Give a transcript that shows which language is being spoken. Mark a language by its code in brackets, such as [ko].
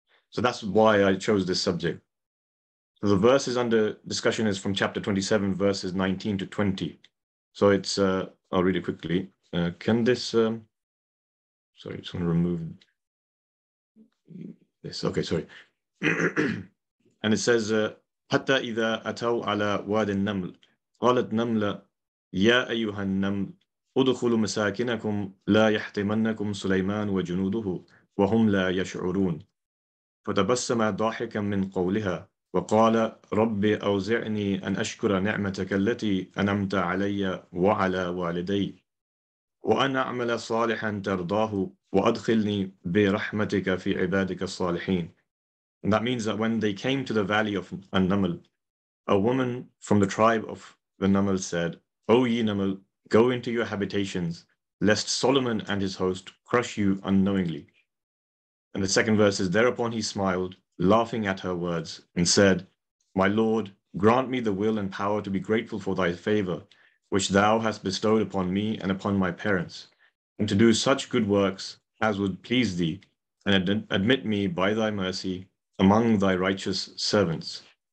[en] So that's why I chose this subject. So the verses under discussion is from chapter 27, verses 19 to 20. So it's, I'll read it quickly. Just want to remove this. Okay, sorry. And it says, [ar] حَتَّى إِذَا أَتَوْا عَلَى وَادِ النَّمْلِ قَالَتْ نَمْلَ يَا أَيُّهَا النَّمْلِ أُدْخُلُ مَسَاكِنَكُمْ لَا يَحْتِمَنَّكُمْ سُلَيْمَانُ وَجُنُودُهُ وَهُمْ لَا يَشْعُرُونَ فَتَبَسَّمَ ضَاحِكًا مِنْ قَوْلِهَا وقال ربي أوزعني أن أشكر نعمتك التي أنعمت علي وعلى والدي وأن أعمل صالحا ترضاه وأدخلني برحمتك في عبادك الصالحين. [en] And that means that when they came to the valley of An-Naml, a woman from the tribe of the Naml said, O ye Naml, go into your habitations, lest Solomon and his host crush you unknowingly. And the second verse is, thereupon he smiled, laughing at her words, and said, My Lord, grant me the will and power to be grateful for thy favor, which thou hast bestowed upon me and upon my parents, and to do such good works as would please thee, and admit me by thy mercy among thy righteous servants.